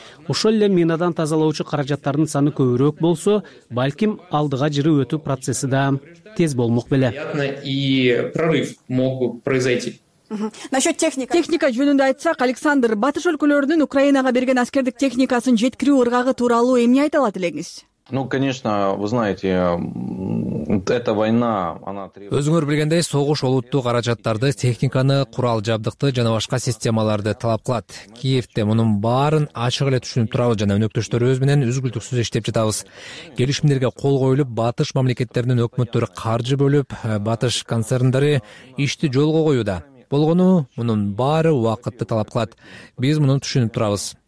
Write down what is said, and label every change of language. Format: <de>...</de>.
<ky>Ошол эле минадан тазалоочу каражаттардын саны көбүрөөк болсо, балким алдыга жырып өтүү процесси да тез болмок беле.</ky> <ru>И прорыв мог произойти. Насчет техника.</ru> <ky>Техника жөнүндө айтсак, Александр, батыш өлкөлөрүнүн Украинага берген аскердик техникасын жеткирүү ыргагы тууралуу эмне айта алат элеңиз?</ky> <ru>Ну, конечно, вы знаете, эта война, она требует...</ru> <ky>Өзүңөр билгендей, согуш олуттуу каражаттарды, техниканы, курал жабдыкты жана башка системаларды талап кылат. Киевде мунун баарын ачык эле түшүнүп турабыз жана өнөктөштөрүбүз менен үзгүлтүксүз иштеп жатабыз. Келишимдерге кол коюлуп, батыш мамлекеттеринин өкмөттөрү каржы бөлүп, батыш концерндери ишти жолго коюуда. Болгону, мунун баары убакытты талап кылат. Биз муну түшүнүп турабыз.</ky>